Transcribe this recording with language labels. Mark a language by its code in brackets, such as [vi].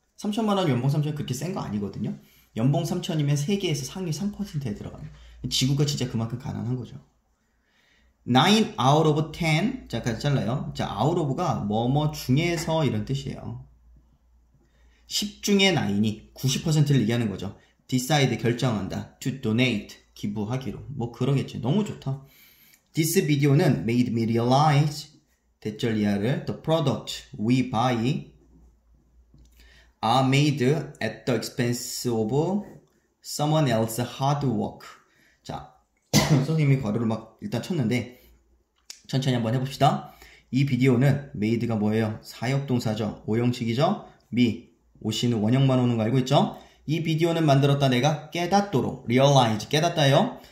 [ko] 3천만 원 연봉 3천 그렇게 센거 아니거든요. 연봉 3천이면 세계에서 상위 3%에 들어가요. 지구가 진짜 그만큼 가난한 거죠. [en] 9 out of 10. [ko] 잠깐 잘라요. 자, out of가 뭐뭐 중에서 이런 뜻이에요. 10 중에 9이니 90%를 얘기하는 거죠. decide, 결정한다. [en] to donate, [ko] 기부하기로. 뭐 그러겠지. 너무 좋다. [en] This video는 made me realize [ko] 대절 이하를 [en] the product we buy are made at the expense of someone else's hard work. [ko] 자, 선생님이 과로를 막 일단 쳤는데 천천히 한번 해봅시다. 이 비디오는 made가 뭐예요? 사역 동사죠. 오형식이죠. me, 오시는 원형만 오는 거 알고 있죠? 이 비디오는 만들었다 내가 깨닫도록 realize 깨닫다요.